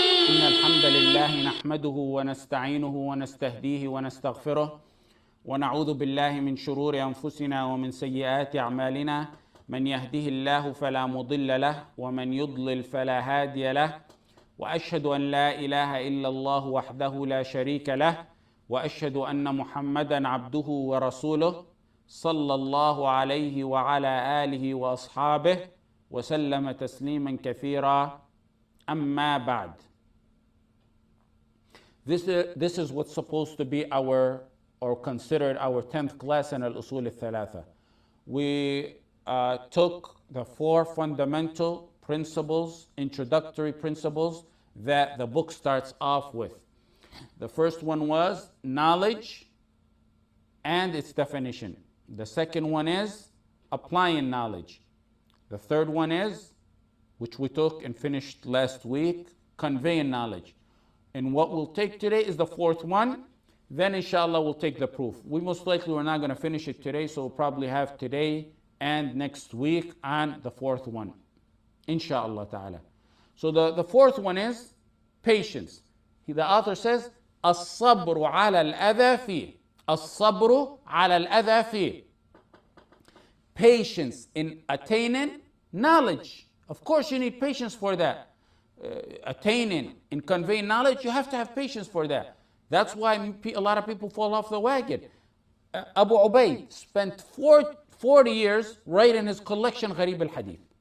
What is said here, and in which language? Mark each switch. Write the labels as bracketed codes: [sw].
[ar] إن الحمد لله نحمده ونستعينه ونستهديه ونستغفره ونعوذ بالله من شرور أنفسنا ومن سيئات أعمالنا، من يهده الله فلا مضل له، ومن يضلل فلا هادي له، وأشهد أن لا إله إلا الله وحده لا شريك له، وأشهد أن محمدًا عبده ورسوله، صلى الله عليه وعلى آله وأصحابه وسلم تسليمًا كثيرًا. أما بعد، [en] This is what's supposed to be our or considered our 10th class in الأصول الثلاثة. We took the four fundamental principles, introductory principles, that the book starts off with. The first one was knowledge and its definition. The second one is applying knowledge. The third one is, which we took and finished last week, conveying knowledge. And what we'll take today is the fourth one. Then inshallah we'll take the proof. We most likely we're not going to finish it today, so we'll probably have today and next week on the fourth one, inshallah ta'ala. So the fourth one is patience. The author says, [ar] الصبر على الأذى فيه. الصبر على الأذى فيه. [en] Patience in attaining knowledge. Of course you need patience for that. Attaining and conveying knowledge, you have to have patience for that. That's why a lot of people fall off the wagon. Abu Ubayd spent 40 years writing his collection, Gharib al-Hadith.